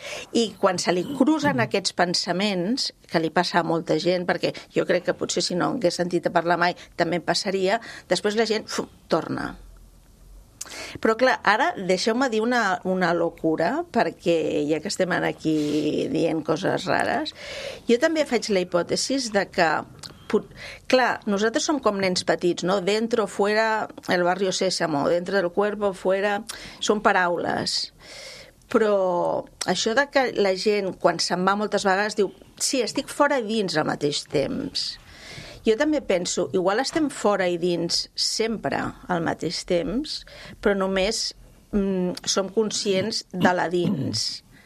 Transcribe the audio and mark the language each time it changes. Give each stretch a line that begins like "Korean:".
Catalan: I quan se li cruzen aquests pensaments, que li passa a molta gent, perquè jo crec que potser si no hagués sentit a parlar mai també passaria, després la gent torna. Però clar, ara deixeu-me dir una locura, perquè ja que estem aquí dient coses rares, jo també faig la hipòtesi de que, clar, nosaltres som com nens petits, no?
Spanish: Dentro, fuera, el barrio sésamo, dentro del cuerpo, fuera,
Catalan: són paraules. Però això de que la gent, quan se'n va moltes vegades, diu, sí, estic fora i dins al mateix temps. Jo també penso, igual estem fora i dins sempre al mateix temps, però només som conscients de la dins.